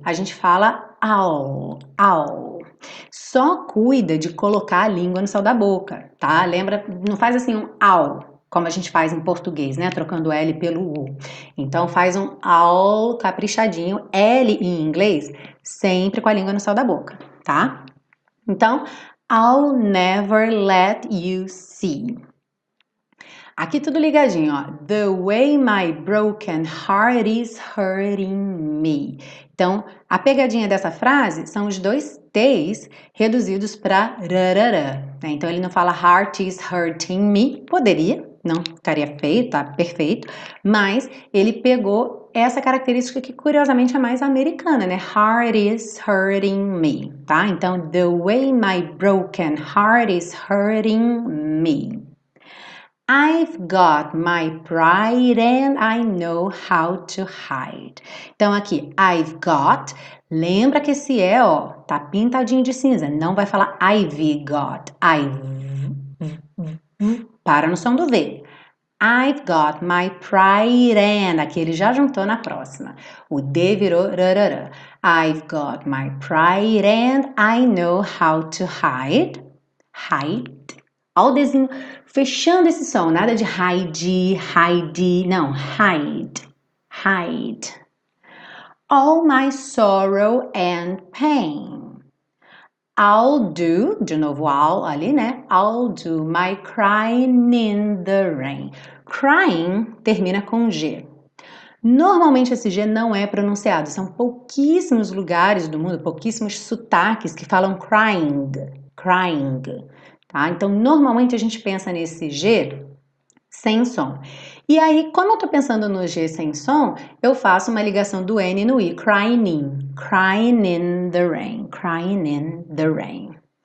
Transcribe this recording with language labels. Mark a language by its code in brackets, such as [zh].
[pt] A gente fala I'll. Só cuida de colocar a língua no céu da boca, tá? Lembra, não faz assim um I'll, como a gente faz em português, né? Trocando o L pelo U. Então faz um I'll caprichadinho, L em inglês, sempre com a língua no céu da boca. Tá? [en] Então, I'll never let you see. [pt] Aqui tudo ligadinho, ó. [en] The way my broken heart is hurting me. [pt] Então, a pegadinha dessa frase são os dois T's reduzidos para rarara, né? Então, ele não fala [en] heart is hurting me. [pt] Poderia, não ficaria feio, tá perfeito. Mas ele pegou essa característica que, curiosamente, é mais americana, né? [en] Heart is hurting me, tá? Então, the way my broken heart is hurting me. I've got my pride and I know how to hide. [pt] Então, aqui, I've got. Lembra que esse é, ó, tá pintadinho de cinza. Não vai falar I've got. Para no som do V. [en] I've got my pride and. [pt] Aqui ele já juntou na próxima. O D virou rarara. [en] I've got my pride and I know how to hide. Hide. [pt] Olha o desenho fechando esse som. Nada de hide, hide. Não, hide. Hide. [en] All my sorrow and pain. I'll do, [pt] de novo, [en] I'll ali, né? I'll do my crying in the rain. [pt] Crying termina com G. Normalmente esse G não é pronunciado. São pouquíssimos lugares do mundo, pouquíssimos sotaques que falam crying, crying. Tá? Então, normalmente a gente pensa nesse G sem som. E aí, como eu tô pensando no G sem som, eu faço uma ligação do N no I, crying, [en] crying in the rain, [pt] crying in the rain.